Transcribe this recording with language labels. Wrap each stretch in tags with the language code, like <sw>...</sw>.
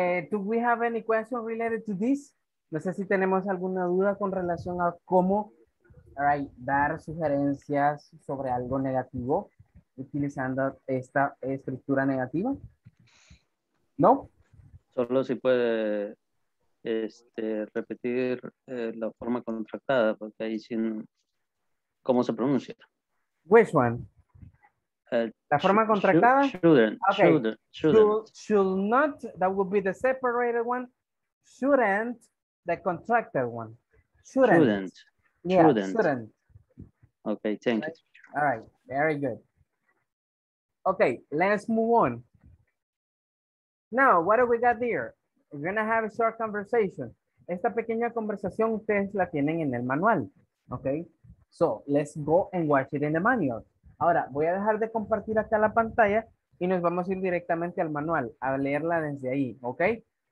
<en>Do we have any questions related to this?</en> <es>No sé si tenemos alguna duda con relación a cómo, all right, dar sugerencias sobre algo negativo utilizando esta estructura negativa. ¿No? Solo si puede repetir la forma contractada, porque ahí sin cómo se pronuncia.</es> <en>Which one?</en> <es>La forma contractada.</es> <en>Shouldn't. That would be the separated one. Shouldn't, the contracted one. Shouldn't. Yeah, shouldn't. Okay, thank you. All right, very good. Okay, let's move on. Now, what do we got there? We're going to have a short conversation.</en> <es>Esta pequeña conversación ustedes la tienen en el manual.</es> <en>Okay, so let's go and watch it in the manual.</en> <es>Ahora, voy a dejar de compartir acá la pantalla y nos vamos a ir directamente al manual a leerla desde ahí, ¿ok?</es>